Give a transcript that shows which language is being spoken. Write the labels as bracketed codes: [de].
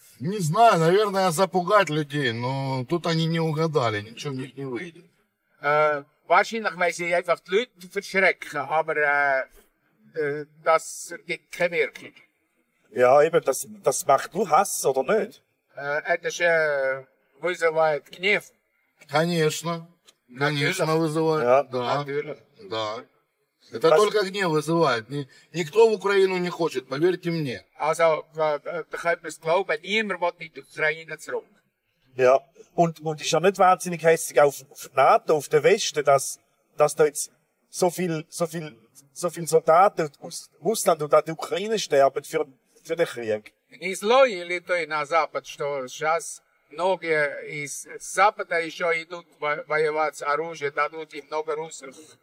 [ru] Не знаю, наверное, запугать людей, но тут они не угадали, ничего у них не выйдет. [de] Wahrscheinlich, weil sie einfach die Leute verschrecken, aber das gibt keine Wirkung. Ja, eben, das macht du Hass, oder nicht? [ru] Это же вызывает гнев. Конечно. Конечно вызывает. [de] Ja. [ru] Да. Natürlich. Да. Это только гнев вызывает. Никто в Украину не хочет, поверьте мне. [de] Also, [ru] ты хочешь [de] glauben, niemand will nicht in Ukraine zurück. Ja, und ist ja nicht wahnsinnig hässig auf NATO, auf den Westen, dass da jetzt so viel Soldaten aus Russland und auch die Ukraine sterben für den Krieg. [ru] Не злой ли ты на Запад, что сейчас многие из Запада еще идут воевать с оружием, дадут им много русских...